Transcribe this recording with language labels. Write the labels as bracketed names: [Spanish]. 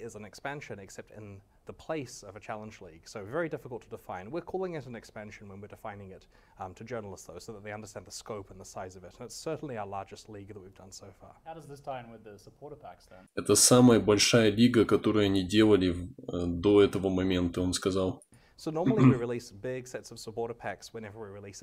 [English] is an expansion except in the place of a challenge league. So very difficult to define. We're calling it an expansion when we're defining it to journalists though, so that they understand the scope and the size of it. And it's certainly our largest league that we've done so far. How does this tie in with the supporter packs then? [Russian] Это самая большая лига, которую они делали до этого момента, он сказал. [English] So normally we release big sets of supporter packs whenever we release